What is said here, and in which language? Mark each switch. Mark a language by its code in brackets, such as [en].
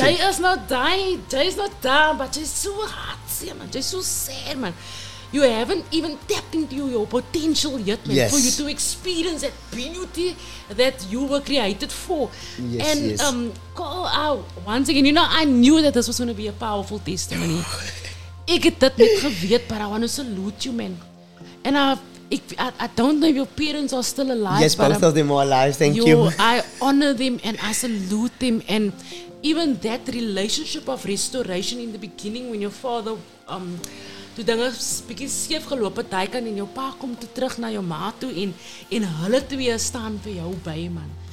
[en] Jy is not dying, jy is not down, but jy is so hartseer, man. Jy is so sad, man. You haven't even tapped into your potential yet, man, yes, for you to experience that beauty that you were created for. Yes, and yes. Call out once again. You know, I knew that this was going to be a powerful testimony. [af] Ik het dit net geweet, [en] but I want to salute you, man. And I don't know if your parents are still alive. Yes, both of them are alive. Thank you. I honor them and I salute them. And even that relationship of restoration in the beginning, when your father, [af] toe dinge bietjie skeef geloop het, hy kan en jou pa kom toe terug na jou ma toe en hulle twee staan vir jou by, man.